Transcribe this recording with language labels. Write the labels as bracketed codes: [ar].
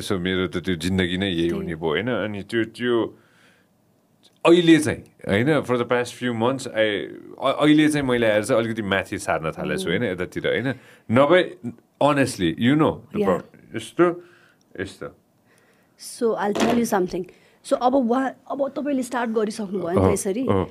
[ne] So मेरो त त्यो जिन्दगी नै यही हुने भयो होइन. अनि त्यो त्यो अहिले चाहिँ होइन, [en] for the past few months [ne] अहिले चाहिँ मैले आएर चाहिँ अलिकति माथि सार्न थालेको छु होइन, यतातिर होइन. नभए [en] honestly you know [ne] यस्तो यस्तो. [en] So I tell you something. [ne] So अब वा अब तपाईँले स्टार्ट गरिसक्नु भयो नि त यसरी.